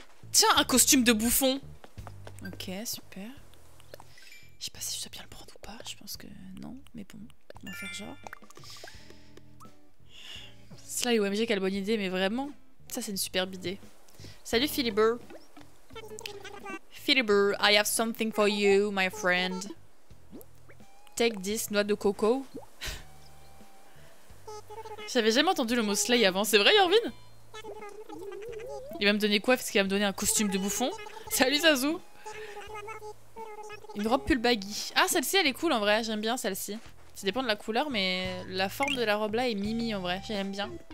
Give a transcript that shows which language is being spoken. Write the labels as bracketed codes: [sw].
[fr] Tiens, un costume de bouffon. Ok, super. Je sais pas si je dois bien le prendre ou pas. Je pense que non, mais bon, on va faire genre. Slay OMG, quelle bonne idée, mais vraiment, ça c'est une superbe idée. Salut Philibert. [en] Philibert, I have something for you, my friend. Take this, [fr] noix de coco. J'avais jamais entendu le mot slay avant, c'est vrai Yorvin? Il va me donner quoi? Parce qu'il va me donner un costume de bouffon. Salut Zazu. Une robe pull baggy. Ah, celle-ci elle est cool en vrai, j'aime bien celle-ci. Ça dépend de la couleur, mais la forme de la robe là est mimi en vrai. J'aime bien.